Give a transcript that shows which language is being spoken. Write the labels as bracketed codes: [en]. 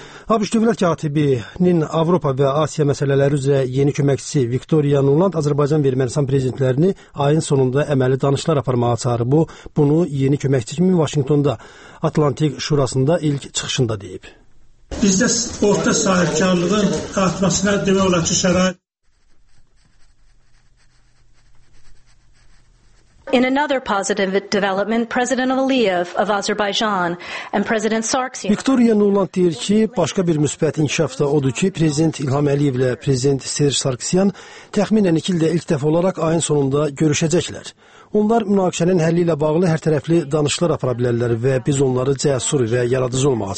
[az] ABŞ Dövlət Katibinin Avropa və Asiya məsələləri üzrə yeni köməkçisi Victoria Nuland Azərbaycan və Ermənistan prezidentlərini ayın sonunda əməli danışlar aparmağa çağırıb. Bunu yeni köməkçi kimi Vaşinqtonda Atlantik Şurasında ilk çıxışında deyib. Bizdə orta sahibkarlığın artmasına demək olar ki, şərait. [en] In another positive development, President Aliyev of Azerbaijan and President Sarkisian. [az] Victoria Nuland deyir ki, başqa bir müsbət inkişaf da odur ki, Prezident İlham Əliyev ilə Prezident Serj Sarkisyan təxminən 2 ildə ilk dəfə olaraq ayın sonunda görüşəcəklər. Onlar münaqişənin həlli ilə bağlı hər tərəfli danışıqlar apara bilərlər və biz onları cəsur və yaradıcı olmağa